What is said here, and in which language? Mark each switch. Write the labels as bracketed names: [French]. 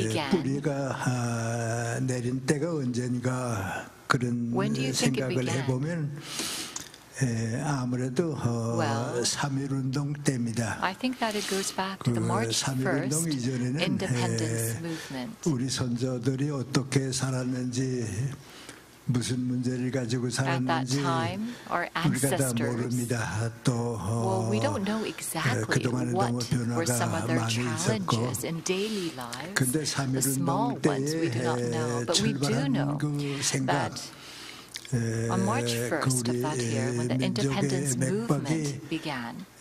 [Korean] 뿌리가 내린 때가 언젠가 그런 생각을 해보면 아무래도 3.1 운동 때입니다. [English] I think that it goes back to the March 1st [Korean] 운동 이전에는 우리 선조들이 어떻게 살았는지 무슨 문제를 가지고 살았는지 우리가 다 모릅니다. 또 그동안의 너무 변화가 많이 있었고 근데 3.1 운동 때의 출발한 그 생각 [English] On March 1st of that year, when the independence movement began,